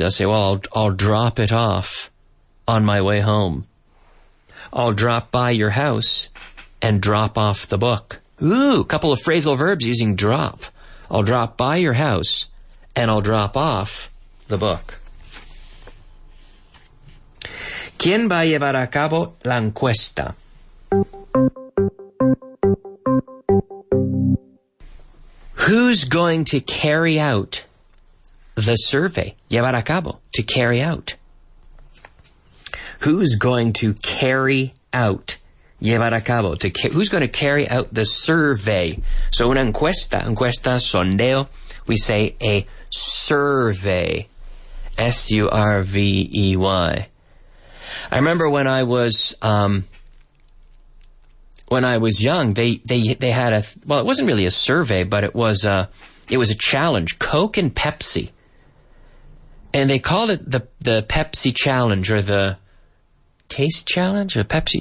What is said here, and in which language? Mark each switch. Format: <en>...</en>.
<en>They'll say, well, I'll drop it off on my way home. I'll drop by your house and drop off the book. Ooh, a couple of phrasal verbs using drop. I'll drop by your house and I'll drop off the book.</en> <es>¿Quién va a llevar a cabo la encuesta?</es> <en>Who's going to carry out the survey?</en> <es>Llevar a cabo,</es> <en>to carry out. Who's going to carry out?</en> <es>Llevar a cabo,</es> <en>who's going to carry out the survey? So una encuesta, sondeo, we say a survey. S-U-R-V-E-Y. I remember when I was young, they had it wasn't really a survey, but it was a challenge, Coke and Pepsi. And they called it the Pepsi Challenge, or the Taste Challenge, or Pepsi.</en>